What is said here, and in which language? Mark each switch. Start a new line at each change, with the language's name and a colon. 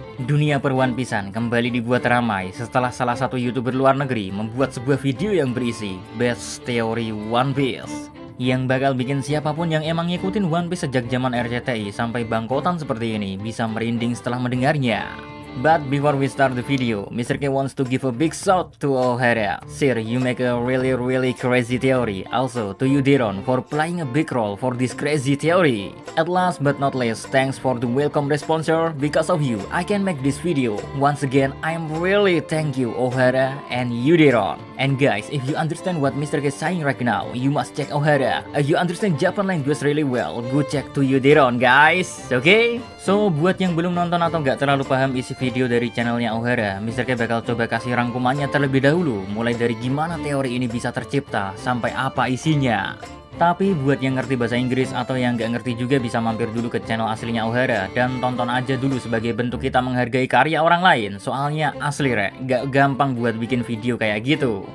Indonesian: Dunia per One Piece-an kembali dibuat ramai setelah salah satu YouTuber luar negeri membuat sebuah video yang berisi best theory One Piece, yang bakal bikin siapapun yang emang ngikutin One Piece sejak zaman RCTI sampai bangkotan seperti ini bisa merinding setelah mendengarnya.
English: But before we start the video, Mr. K wants to give a big shout to O'Hara. Sir, you make a really really crazy theory. Also to you Diron for playing a big role for this crazy theory. At last but not least, thanks for the welcome sponsor. Because of you, I can make this video. Once again, I'm really thank you O'Hara and you Diron. And guys, if you understand what Mr. K is saying right now, you must check O'Hara. If you understand Japan language really well, go check to you Diron guys. Okay?
Indonesian: So buat yang belum nonton atau gak terlalu paham isi video dari channelnya O'Hara, Mr. K bakal coba kasih rangkumannya terlebih dahulu, mulai dari gimana teori ini bisa tercipta sampai apa isinya. Tapi buat yang ngerti bahasa Inggris atau yang gak ngerti juga bisa mampir dulu ke channel aslinya O'Hara dan tonton aja dulu sebagai bentuk kita menghargai karya orang lain, soalnya asli rek, gak gampang buat bikin video kayak gitu.